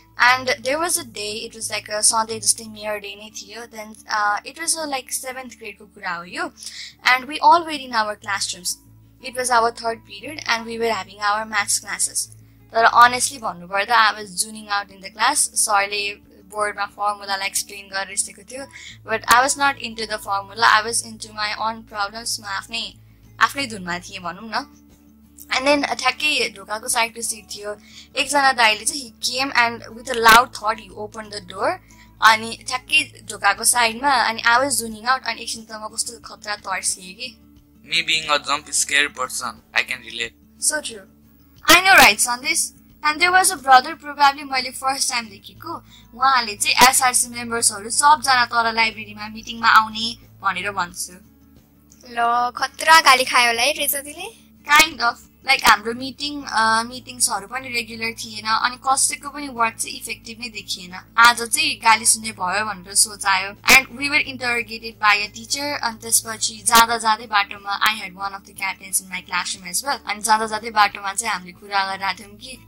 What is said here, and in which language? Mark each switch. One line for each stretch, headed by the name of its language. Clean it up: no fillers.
English: and there was a day it was like a Sunday जस्तै near day नै थियो then it was a like seventh ग्रेडको कुरा हो यो and we all were in our classrooms it was our third period and we were having our maths classes तर honestly भन्नुपर्दा I was zoning out in the class
Nepali: सरले बोर्डमा फर्मुलालाई explain गरिसकेको थियो
English: but I was not into the formula I was into my own प्रब्लम्समा
Nepali: आफ्नै धुनमा थिएँ भनौँ न एन्ड देन ठ्याक्कै ढोकाको साइडको सिट थियो एकजना दाइले चाहिँ
English: he came and with a loud thud he open the door
Nepali: अनि ठ्याक्कै ढोकाको साइडमा अनि
English: I was zoning out
Nepali: अनि एकछिन त म कस्तो खतरा तर्सिएँ कि
English: me being a jump scare person I can relate so true I know right
Nepali: सन्देश
English: And there was a brother, probably
Nepali: मैले first time देखेको उहाँले चाहिँ SRC मेम्बर्सहरू सबजना तल लाइब्रेरीमा मिटिङमा आउने भनेर भन्छु ल खतरा गाली खायो होला है रेजाजीले काइन्ड अफ लाइक हाम्रो मिटिङ मिटिङ्सहरू पनि रेगुलर थिएन अनि कसैको पनि वर्ड चाहिँ इफेक्टिभ नै देखिएन आज चाहिँ गाली सुन्ने भयो भनेर सोचायो
English: and we were interrogated by a teacher
Nepali: अनि त्यसपछि जाँदा जाँदै बाटोमा
English: I had one of the captains in my classroom as well
Nepali: अनि जाँदा जाँदै बाटोमा चाहिँ हामीले कुरा गरिरहेको थियौँ कि